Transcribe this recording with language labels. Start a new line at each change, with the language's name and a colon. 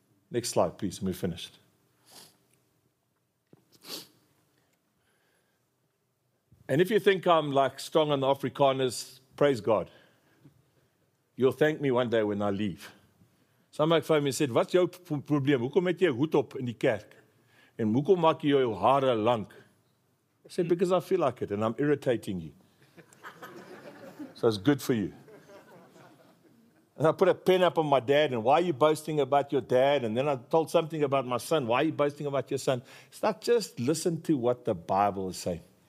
English: Next slide, please, and we're finished. And if you think I'm like strong on the Afrikaners, praise God. You'll thank me one day when I leave. Somebody phoned me and said, what's your problem?
Afrikaans: Hoekom het jy hoed op in die kerk? En hoekom maak jy jou hare lank?
English: I said, because I feel like it and I'm irritating you. So it's good for you. And I put a pen up on my dad, and why are you boasting about your dad? And then I told something about my son. Why are you boasting about your son? It's not just listen to what the Bible is saying.